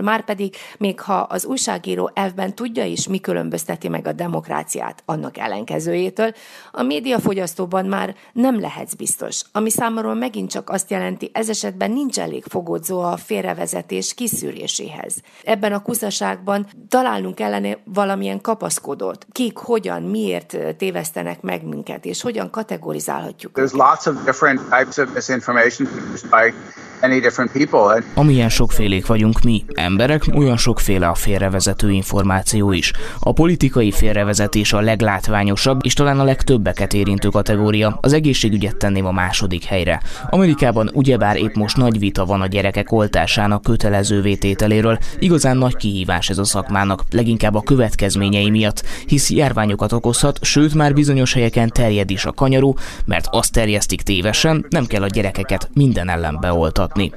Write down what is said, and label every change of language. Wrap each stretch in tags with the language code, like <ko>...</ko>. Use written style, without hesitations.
<hu>Márpedig, még ha az újságíró elvben tudja is, mi különbözteti meg a demokráciát annak ellenkezőjétől, a médiafogyasztóban már nem lehetsz biztos. Ami számomra megint csak azt jelenti, ez esetben nincs elég fogódzó a félrevezetés kiszűréséhez. Ebben a kuszaságban találnunk ellene valamilyen kapaszkodót. Kik, hogyan, miért tévesztenek meg minket, és hogyan kategorizálhatjuk.</hu> <en>There's lots of different types of misinformation by any different people.</en> <hu>Amilyen sokfélék vagyunk mi, emberek, olyan sokféle a félrevezető információ is. A politikai félrevezetés a leglátványosabb, és talán a legtöbbeket érintő kategória. Az egészségügyet tenném a második helyre. Amerikában ugyebár épp most nagy vita van a gyerekek oltásának kötelező vétételéről, igazán nagy kihívás ez a szakmának, leginkább a következményei miatt, hisz járványokat okozhat, sőt már bizonyos helyeken terjed is a kanyaró, mert azt terjesztik tévesen, nem kell a gyerekeket minden ellen beoltatni.</hu>